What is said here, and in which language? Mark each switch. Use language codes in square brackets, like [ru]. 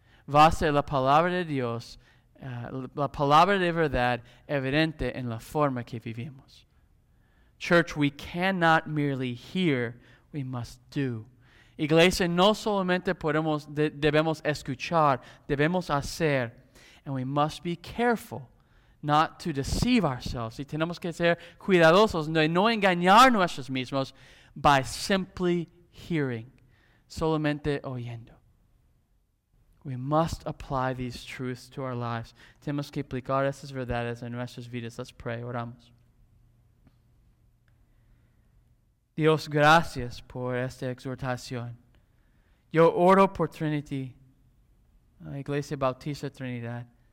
[es] Va a ser la palabra de Dios, la palabra de verdad evidente en la forma que vivimos. [en] Church, we cannot merely hear, we must do. [es] Iglesia, no solamente podemos, debemos escuchar, debemos hacer. [en] And we must be careful not to deceive ourselves. [es] Y tenemos que ser cuidadosos de no engañar nuestros mismos [en] by simply hearing, [es] solamente oyendo. [en] We must apply these truths to our lives. [es] Tenemos que aplicar estas verdades en nuestras vidas. [en] Let's pray. [es] Oramos. Dios, gracias por esta exhortación. Yo oro por Trinity, la Iglesia Bautista Trinidad.